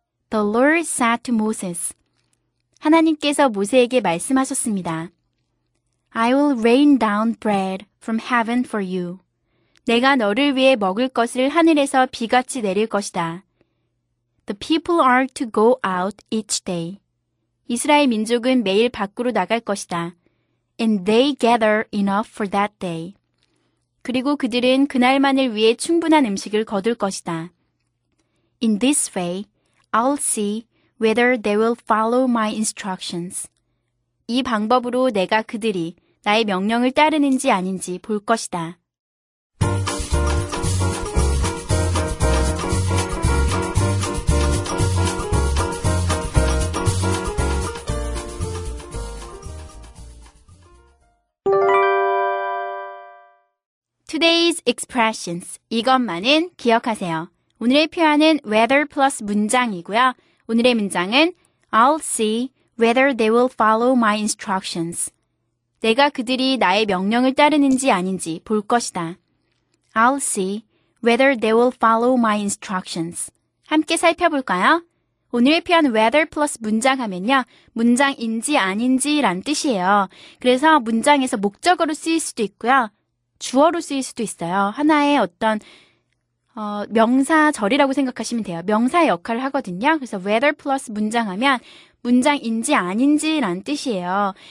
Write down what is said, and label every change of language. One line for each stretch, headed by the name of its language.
English: The Lord said to Moses.
Korean: 하나님께서 모세에게 말씀하셨습니다.
English: I will rain down bread from heaven for you.
Korean: 내가 너를 위해 먹을 것을 하늘에서 비같이 내릴 것이다.
English: The people are to go out each day.
Korean: 이스라엘 민족은 매일 밖으로 나갈 것이다.
English: And they gather enough for that day.
Korean: 그리고 그들은 그날만을 위해 충분한 음식을 거둘 것이다.
English: In this way, I'll see whether they will follow my instructions.
Korean: 이 방법으로 내가 그들이 나의 명령을 따르는지 아닌지 볼 것이다.
English: 'Today's expressions'
Korean: 이것만은 기억하세요. 오늘의 표현은
English: whether plus
Korean: 문장이고요. 오늘의 문장은
English: I'll see whether they will follow my instructions.
Korean: 내가 그들이 나의 명령을 따르는지 아닌지 볼 것이다.
English: I'll see whether they will follow my instructions.
Korean: 함께 살펴볼까요? 오늘의 표현 whether plus 문장 하면요. 문장인지 아닌지란 뜻이에요. 그래서 문장에서 목적어로 쓰일 수도 있고요. 주어로 쓰일 수도 있어요. 하나의 어떤 명사절이라고 생각하시면 돼요. 명사의 역할을 하거든요. 그래서 whether plus 문장 하면 문장인지 아닌지란 뜻이에요.